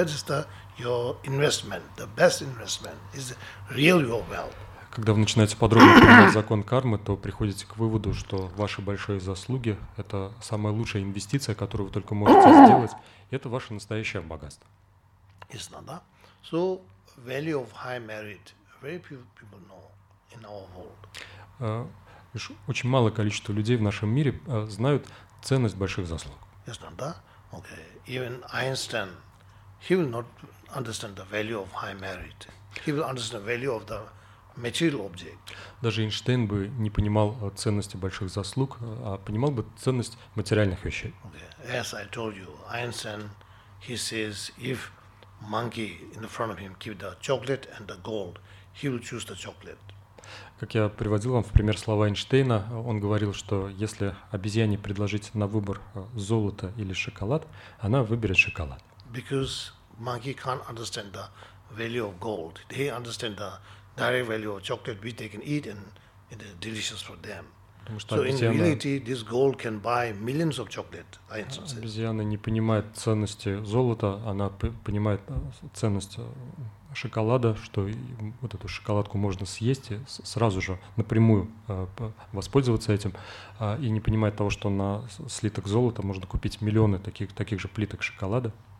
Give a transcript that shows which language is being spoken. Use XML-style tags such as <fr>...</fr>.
<en>That is your investment, the best investment is real your wealth.</en> <ru>Когда вы начинаете подробно понимать закон кармы, то приходите к выводу, что ваши большие заслуги – это самая лучшая инвестиция, которую вы только можете сделать, и это ваше настоящее богатство.</ru> <en>Is not that? So value of high merit very few people know in our world.</en> <ru>Очень малое количество людей в нашем мире знают ценность больших заслуг. Ясно, да? Okay.</ru> <en>Even Einstein, he will not understand the value of high merit. He will understand the value of the material object.</en> <ru>Даже Эйнштейн бы не понимал ценности больших заслуг, а понимал бы ценность материальных вещей.</ru> <en>Okay. As I told you, Einstein, he says, if monkey in front of him give the chocolate and the gold, he will choose the chocolate.</en> <ru>Как я приводил вам в пример слова Эйнштейна, он говорил, что если обезьяне предложить на выбор золото или шоколад, она выберет шоколад.</ru> <en>Because monkey can't understand the value of gold. They understand the direct value of chocolate, which they can eat and it is delicious for them.</en> <ru>Потому что</ru> <en>so</en> <ru>обезьяна,</ru> <en>in reality, this gold can buy millions of chocolate, Einstein says.</en> <ru>Обезьяна не понимает ценности золота, она понимает ценность шоколада, что вот эту шоколадку можно съесть и сразу же напрямую воспользоваться этим, и не понимает того, что на слиток золота можно купить миллионы таких же плиток шоколада.</ru>